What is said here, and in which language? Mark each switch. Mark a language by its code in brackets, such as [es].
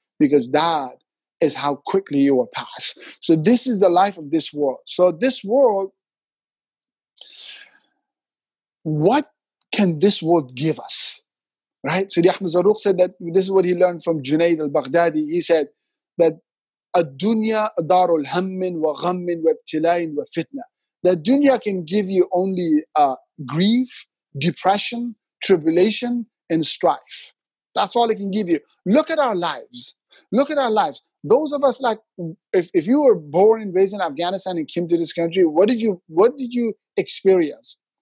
[en] Because that is how quickly you will pass. So this is the life of this world. So this world, what can this world give us? Right? So Ahmed Zarruq said that this is what he learned from Junaid al-Baghdadi. He said that [ar] الدنيا دار الهم وغم وابتلاء وفتنة. [en] The dunya can give you only grief, depression, tribulation, and strife. That's all it can give you. Look at our lives. Look at our lives. Those of us, like, if you were born and raised in Afghanistan and came to this country, what did you experience?